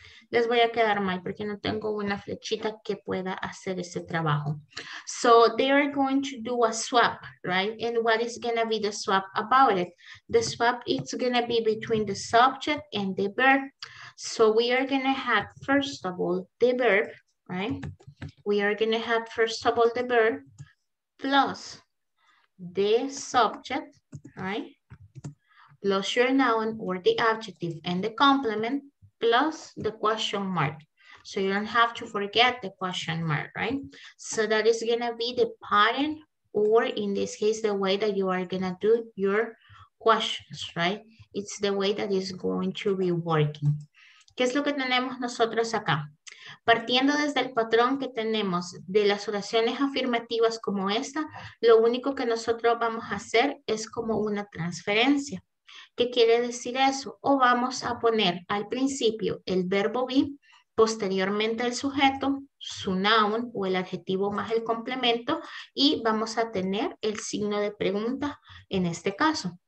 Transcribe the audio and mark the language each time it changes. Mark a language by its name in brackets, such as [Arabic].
[Spanish] Les voy a quedar mal porque no tengo una flechita que pueda hacer ese trabajo. [English] So they are going to do a swap, right? And what is going to be the swap about it? The swap is going to be between the subject and the verb. So we are going to have, first of all, the verb, right? We are going to have, first of all, the verb plus the subject, right? Plus your noun or the adjective and the complement. Plus the question mark. So you don't have to forget the question mark, right? So that is gonna be the pattern, or in this case, the way that you are gonna do your questions, right? It's the way that is going to be working. [Spanish] ¿Qué es lo que tenemos nosotros acá? Partiendo desde el patrón que tenemos de las oraciones afirmativas como esta, lo único que nosotros vamos a hacer es como una transferencia. ¿Qué quiere decir eso? O vamos a poner al principio el verbo be, posteriormente el sujeto, su noun o el adjetivo más el complemento, y vamos a tener el signo de pregunta en este caso.